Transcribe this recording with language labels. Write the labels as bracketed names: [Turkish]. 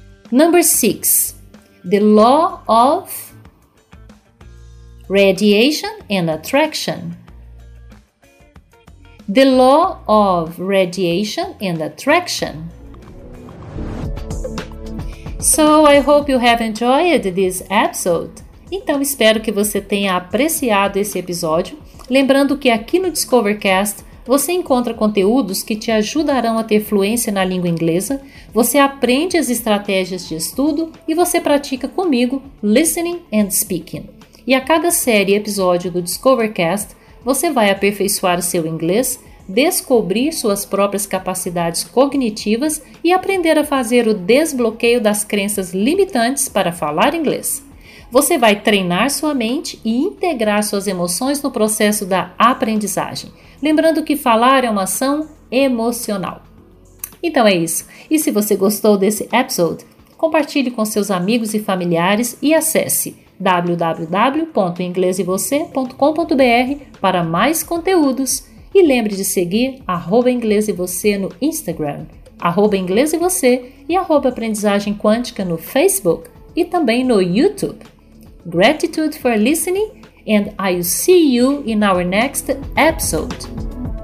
[English] Number 6. The law of radiation and attraction. The law of radiation and attraction. So, I hope you have enjoyed this episode. [Portuguese] Então, espero que você tenha apreciado esse episódio. Lembrando que aqui no DiscoverCast você encontra conteúdos que te ajudarão a ter fluência na língua inglesa, você aprende as estratégias de estudo e você pratica comigo [English] listening and speaking. [Portuguese] E a cada série e episódio do DiscoverCast, você vai aperfeiçoar seu inglês, descobrir suas próprias capacidades cognitivas e aprender a fazer o desbloqueio das crenças limitantes para falar inglês. Você vai treinar sua mente e integrar suas emoções no processo da aprendizagem. Lembrando que falar é uma ação emocional. Então é isso. E se você gostou desse episode, compartilhe com seus amigos e familiares e acesse www.inglesevocê.com.br para mais conteúdos. E lembre de seguir @inglesevocê no Instagram, @inglesevocê e @aprendizagemquântica no Facebook e também no YouTube. [English] Gratitude for listening, and I'll see you in our next episode.